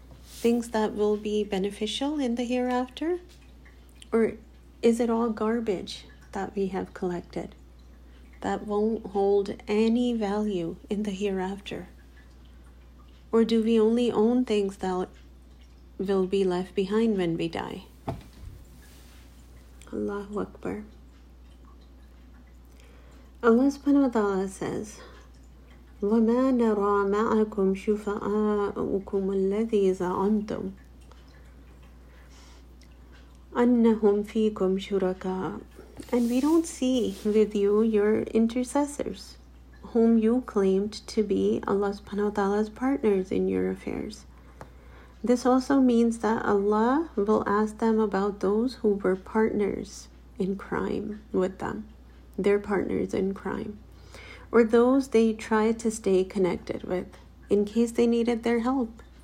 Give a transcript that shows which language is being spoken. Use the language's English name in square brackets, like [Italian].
[English] Things that will be beneficial in the hereafter? Or is it all garbage that we have collected that won't hold any value in the hereafter? Or do we only own things that will be left behind when we die? Allahu Akbar. [Arabic] Allah subhanahu wa ta'ala says, وَمَا نَرَى مَعَكُمْ شُفَآءُكُمْ الَّذِي زَعَمْتُمْ أَنَّهُمْ فِيكُمْ شُرَكَاءُ. [English] And we don't see with you your intercessors, whom you claimed to be Allah subhanahu wa ta'ala's partners in your affairs. This also means that Allah will ask them about those who were partners in crime with them, their partners in crime, or those they tried to stay connected with in case they needed their help.